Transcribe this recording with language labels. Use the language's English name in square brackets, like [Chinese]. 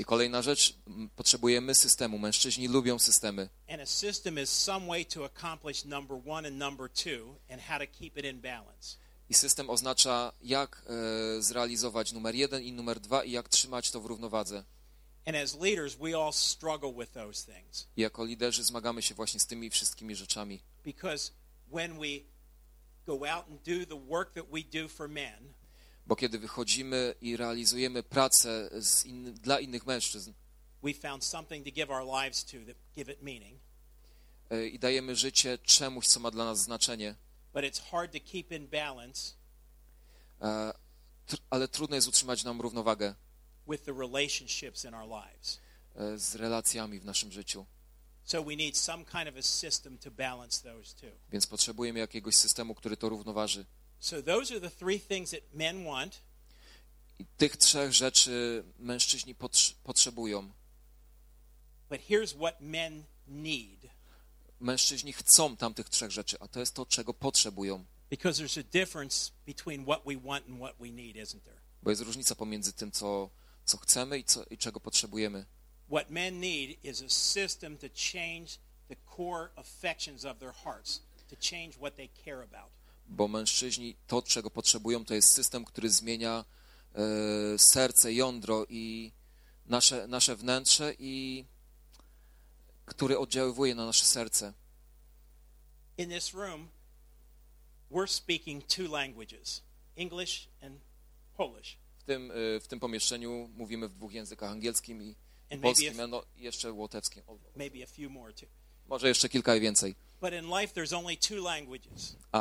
[Polish] I kolejna rzecz, potrzebujemy systemu. Mężczyźni lubią systemy. [English] And a system is some way to accomplish number one and number two and how to keep it in balance. [Polish] I system oznacza jak zrealizować numer jeden i numer dwa i jak trzymać to w równowadze. [English] And as leaders we all struggle with those things. [Polish] I jako liderzy zmagamy się właśnie z tymi wszystkimi rzeczami. [English] Because when we go out and do the work that we do for men. [Polish] Bo kiedy wychodzimy i realizujemy pracę dla innych mężczyzn, [English] we found something to give our lives to, that give it meaning. [Polish] I dajemy życie czemuś, co ma dla nas znaczenie. [English] But it's hard to keep in balance. [Polish] Ale trudno jest utrzymać nam równowagę [English] with the relationships in our lives. [Polish] Z relacjami w naszym życiu. [English] So we need some kind of a system to balance those two. [Polish] Więc potrzebujemy jakiegoś systemu, który to równoważy. [English] So those are the three things that men want. [Polish] I tych trzech rzeczy mężczyźni potrzebują. [English] But here's what men need. [Polish] Mężczyźni chcą tamtych trzech rzeczy, a to jest to, czego potrzebują. [English] Because there's a difference between what we want and what we need, isn't there? [Polish] Bo jest różnica pomiędzy tym, co chcemy i czego potrzebujemy. [English] What men need is a system to change the core affections of their hearts, to change what they care about. [Polish] Bo mężczyźni to, czego potrzebują, to jest system, który zmienia serce, jądro i nasze wnętrze i który oddziaływuje na nasze serce. [English] In this room, we're speaking two languages, English and Polish. [Polish] W tym pomieszczeniu mówimy w dwóch językach, angielskim i polskim, a jeszcze łotewskim. [English] Maybe a few more too. [Polish] Może jeszcze kilka i więcej. [English] But in life, there's only two languages.